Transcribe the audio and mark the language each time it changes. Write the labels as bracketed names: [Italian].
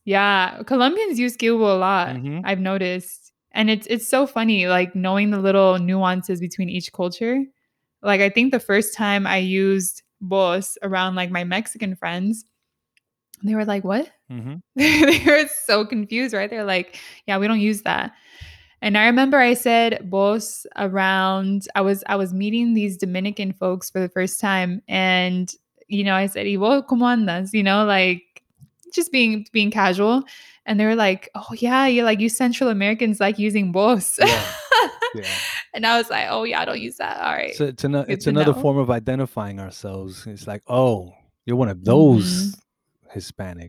[English] Yeah, Colombians use [Spanish] ¿Qué hubo [English] a lot. Mm-hmm. I've noticed, and it's so funny, like knowing the little nuances between each culture. Like, I think the first time I used vos around, like, my Mexican friends, they were like, what? Mm-hmm. They were so confused, right? They're like, yeah, we don't use that. And I remember I said vos around, I was meeting these Dominican folks for the first time. And, you know, I said, [Spanish] ¿Y vos cómo andas? [English] You know, like, just being casual. And they were like, oh, yeah, you're like, you Central Americans like using vos. Yeah. And I was like, oh, yeah, I don't use that. All right. So it's another form of identifying ourselves. It's like, oh, you're one of those Hispanics.